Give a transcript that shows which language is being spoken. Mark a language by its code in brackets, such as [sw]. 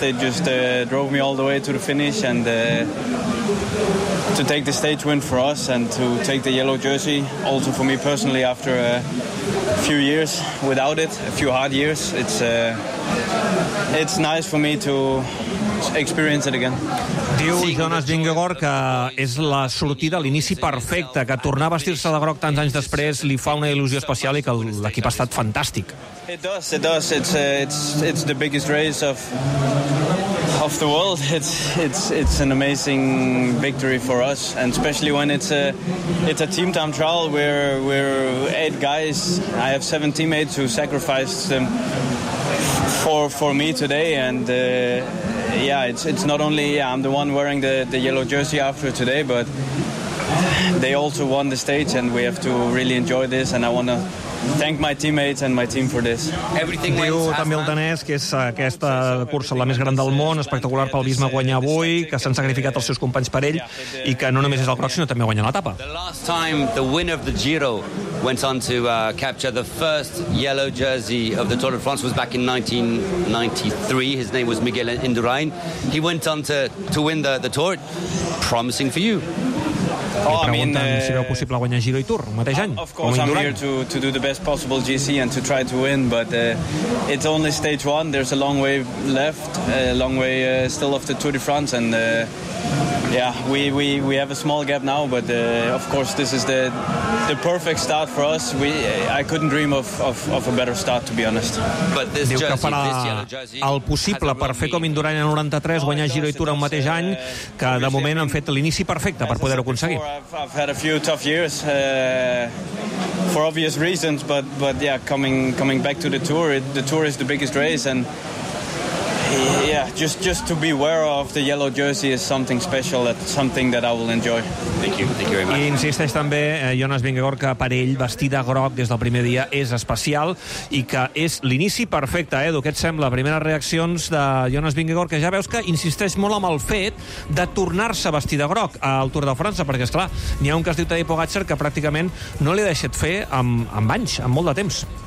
[en] They just drove me all the way to the finish and to take the stage win for us and to take the yellow jersey. Also for me personally, after a few years without it, a few hard years, it's nice for me to experience it again. [ca] Diu Jonas Vingegaard que és la sortida, l'inici perfecte, que tornar a vestir-se de groc tants anys després li fa una il·lusió especial i que l'equip ha estat fantàstic. [en] It does. It's the biggest race of the world. It's an amazing victory for us, and especially when it's a team time trial. We're 8 guys. I have 7 teammates who sacrificed for me today, and it's not only I'm the one wearing the yellow jersey after today, but they also won the stage, and we have to really enjoy this. And I want to thank my teammates and my team for this. [ca] Everything diu també el danès que és aquesta cursa la més gran del món, espectacular pel Bisma guanyar avui, que s'han sacrificat els seus companys per ell i que no només és el groc sinó també guanyar l'etapa. [en] The last time the winner of the Giro went on to capture the first yellow jersey of the Tour de France was back in 1993. His name was Miguel Indurain. He went on to win the Tour. Promising for you. Oh, I mean, [ca] si veu possible guanyar Giro i Tour el mateix any. [en] Of course, I'm here to do the best possible GC and to try to win, but it's only stage one. There's a long way left, a long way still of the Tour de France, and we have a small gap now, but of course this is the perfect start for us. I couldn't dream of a better start, to be honest. But this [ca] diu que farà el possible per fer com Indurain en 93, guanyar Giro i Tour el mateix any, que de moment han fet l'inici perfecte per poder-ho aconseguir. [en] I've had a few tough years for obvious reasons, but yeah, coming back to the Tour, the Tour is the biggest race, and yeah, just to be aware of the yellow jersey is something special, that's something that I will enjoy. Thank you very much. [ca] I insisteix també Jonas Vingegaard que per ell vestir de groc des del primer dia és especial i que és l'inici perfecte. Edu, què et sembla? Primeres reaccions de Jonas Vingegaard, que ja veus que insisteix molt amb el fet de tornar-se a vestir de groc al Tour de França, perquè és clar, n'hi ha un que es diu Tadej Pogacar que pràcticament no l'he deixat fer amb anys, amb molt de temps.